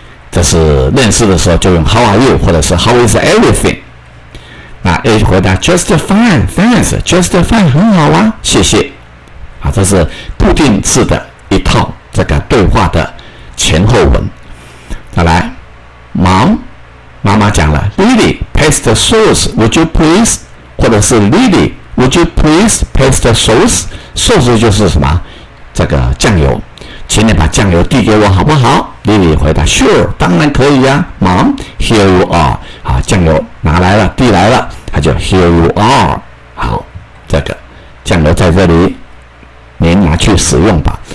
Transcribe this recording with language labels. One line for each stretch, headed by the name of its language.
Chinese: 这是认识的时候就用
English: How are you?
Chinese: 或者是
English: How is everything?
Chinese: 那 A 回答
English: Just fine, thanks, just fine,
Chinese: 很好啊，谢谢。好，这是固定式的一套这个对话的前后文。再来
English: Mom,
Chinese: 妈妈讲了
English: Lily, pass the sauce, would you please? 或者是 Lily, would you please pass the sauce?
Chinese: Sauce 就是什么？这个酱油，请你把酱油递给我好不好？莉莉回答
English: Sure,
Chinese: 当然可以啊。
English: Mom, here you are。
Chinese: 好，酱油拿来了，递来了，他就
English: Here you are。
Chinese: 好，这个酱油在这里，您拿去使用吧。